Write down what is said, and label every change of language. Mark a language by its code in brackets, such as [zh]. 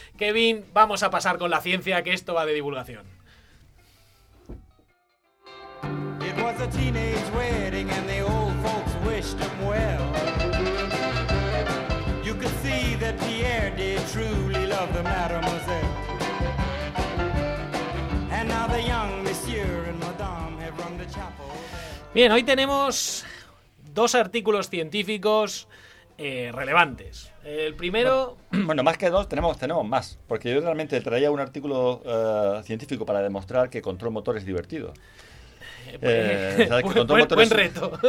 [es] Kevin, vamos a pasar con la ciencia, que esto va de divulgación. [en] It was a teenage wedding and the old folks wished him well. You could see that Pierre did truly love the mademoiselle. And now the young monsieur and madame have rung the chapel bell. [es] Bien, hoy tenemos dos artículos científicos relevantes. El primero... Bueno, más que dos, tenemos más. Porque yo realmente traía un artículo científico para demostrar que control motor es divertido. Buen reto.